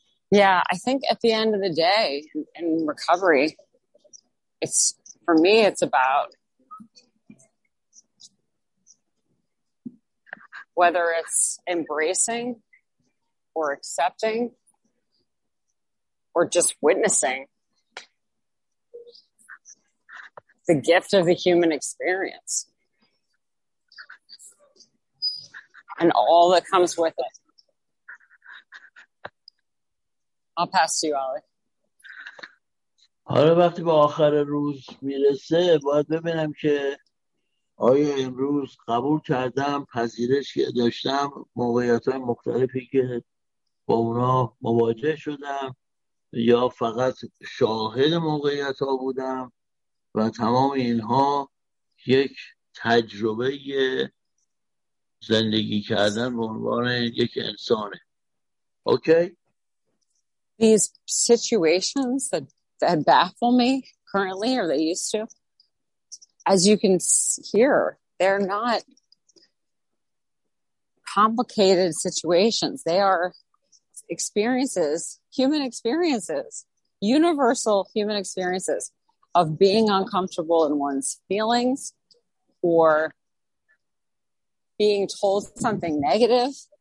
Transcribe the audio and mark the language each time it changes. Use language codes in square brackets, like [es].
[en] Yeah, I think at the end of the day, in recovery, it's for me, it's about whether it's embracing or accepting or just witnessing the gift of the human experience and all that comes with it. I'll pass to you, [fa] Ali. حالا وقتی به آخر روز میرسه باید ببینم که آیا امروز قبول کردم، پذیرش داشتم موقعیت‌های مختلفی که با اونا مواجه شدم یا فقط شاهد موقعیت ها بودم و تمام اینها یک تجربه زندگی کردن به عنوان یک انسانه. اوکی؟ [en] These situations that baffle me currently, or they used to, as you can hear, they're not complicated situations. They are experiences, human experiences, universal human experiences of being uncomfortable in one's feelings or being told something negative.